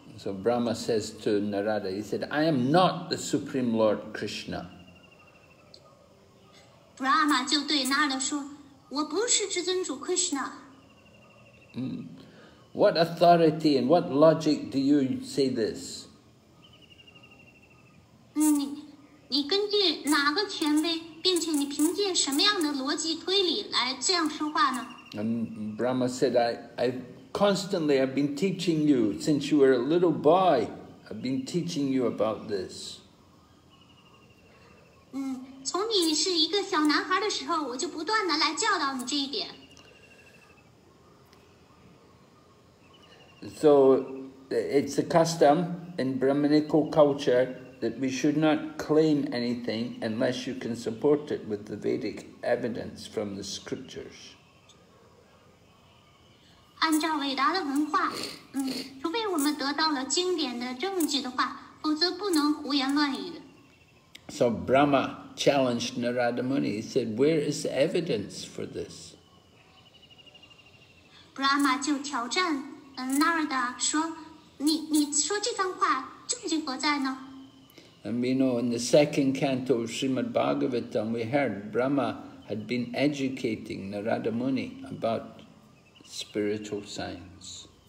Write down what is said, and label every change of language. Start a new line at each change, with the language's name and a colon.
English: So Brahma says to Narada, he said, I am not the Supreme Lord Krishna.
Chinese: Brahma 就对 Narada 说，我不是至尊主 Krishna.
English: What authority and what logic do you say this?
Chinese: 你根据哪个权威，并且你凭借什么样的逻辑推理来这样说话呢？
English: And Brahma said, Constantly, I've been teaching you since you were a little boy. I've been teaching you about this.
Chinese: 从你是一个小男孩的时候，我就不断的来教导你这一点。
English: So, it's a custom in Brahminical culture that we should not claim anything unless you can support it with the Vedic evidence from the scriptures.
Chinese: 按照伟达的文化，除非我们得到了经典的证据的话，否则不能胡言乱语。
English: So Brahma challenged Narada Muni. He said, where is the evidence for this?
Chinese: Brahma 就挑战Narada 说你说这番话证据何在呢？
English: And we know in the second canto of Srimad Bhagavatam, we heard Brahma had been educating Narada Muni about spiritual science.